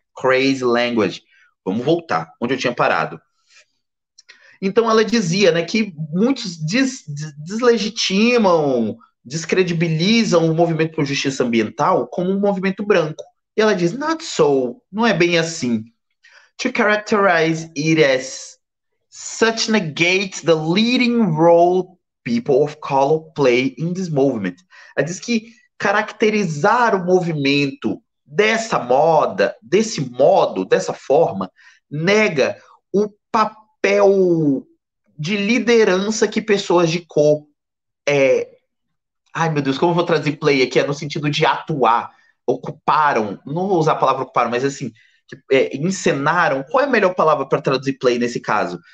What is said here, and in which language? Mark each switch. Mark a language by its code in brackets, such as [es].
[en] Crazy language. [pt] Vamos voltar onde eu tinha parado. Então ela dizia, né, que muitos deslegitimam, descredibilizam o movimento por justiça ambiental como um movimento branco. E ela diz, [en] not so, [pt] não é bem assim. [en] To characterize it as such negates the leading role people of color play in this movement. [pt] Ela diz que caracterizar o movimento dessa moda, desse modo, dessa forma, nega o papel de liderança que pessoas de cor ai meu Deus, como eu vou trazer play aqui, é no sentido de atuar, ocuparam, não vou usar a palavra ocuparam, mas assim, encenaram, qual é a melhor palavra para traduzir play nesse caso?